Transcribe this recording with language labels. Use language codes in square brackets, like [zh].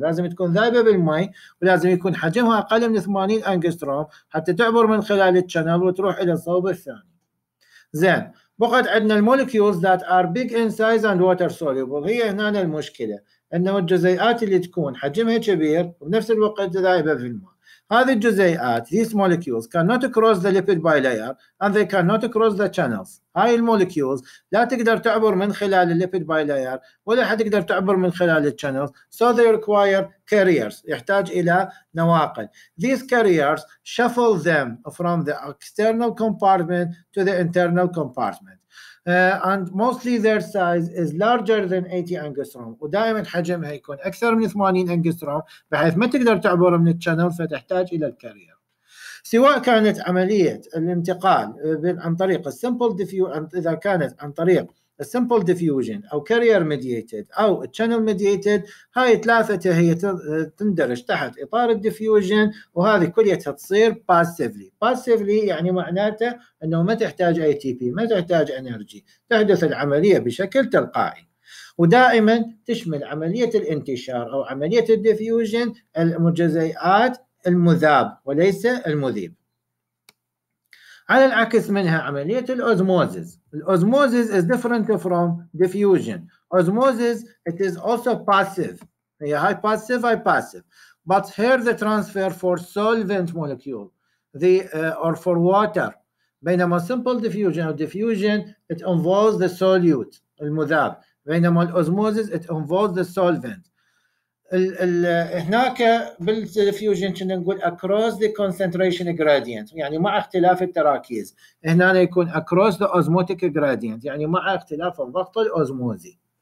[ar] لازم تكون ذائبة بالماء ولازم يكون حجمها أقل من 80 angstrom حتى تعبر من خلال الشانل وتروح إلى الصوب الثاني. زين, بقعد عندنا المولكيولز [en] that are big in size and water soluble. [ar] هي هنا المشكلة, إنه الجزيئات اللي تكون حجمها كبير وبنفس الوقت ذائبة بالماء. هذه الجزيئات, [en] these molecules cannot cross the lipid bilayer and they cannot cross the channels. [ar] هاي المولكيولز لا تقدر تعبر من خلال الليبيد بايلاير ولا حتقدر تعبر من خلال الشانلز. [en] So they require carriers, [ar] يحتاج إلى نواقل. [en] These carriers shuffle them from the external compartment to the internal compartment. And mostly their size is larger than 80 angstrom. [ar] ودائما حجمها يكون أكثر من 80 angstrom بحيث ما تقدر تعبر من الشانل فتحتاج إلى الكارير. سواء كانت عملية الانتقال عن طريق simple diffusion, إذا كانت عن طريق simple diffusion أو carrier mediated أو channel mediated, هاي ثلاثة هي تندرج تحت إطار diffusion, وهذه كلها تصير passively. passively يعني معناته أنه ما تحتاج ATP, ما تحتاج energy, تحدث العملية بشكل تلقائي. ودائما تشمل عملية الانتشار أو عملية diffusion المجزيئات المذاب وليس المذيب. على العكس منها عملية الأوزموزز. [en] الأوزموزز is different from diffusion. Osmosis it is also passive. هي high passive, high passive. But here the transfer for solvent molecule the or for water. بينما simple diffusion or diffusion it involves the solute المذاب. بينما الأوزموزز it involves the solvent. [ar] ال هناك بالديفيوجن كنا نقول [en] across the concentration gradient [ar] يعني مع اختلاف التراكيز. هنا يكون [en] across the osmotic gradient [ar] يعني مع اختلاف الضغط الأوزموزي.